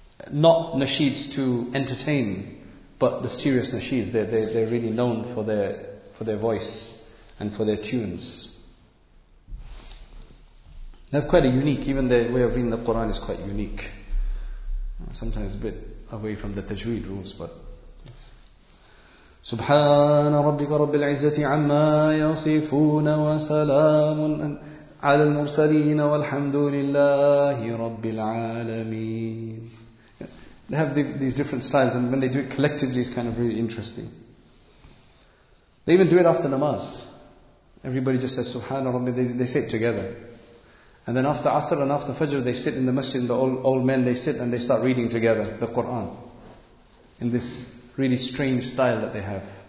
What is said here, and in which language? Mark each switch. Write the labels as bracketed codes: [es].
[en] Not nasheeds to entertain, but the serious nasheeds. They're really known for their voice and for their tunes. They have quite a unique, even their way of reading the Quran is quite unique. Sometimes a bit away from the tajweed rules, but [ar] سبحان ربك رب العزة عما يصفون وسلام على المرسلين والحمد لله رب العالمين. [en] They have these different styles, and when they do it collectively, it's kind of really interesting. They even do it after namaz. Everybody just says [ar] سبحان ربي. [en] They sit together, and then after asr and after fajr, they sit in the masjid. The old men, they sit and they start reading together the Quran in this really strange style that they have.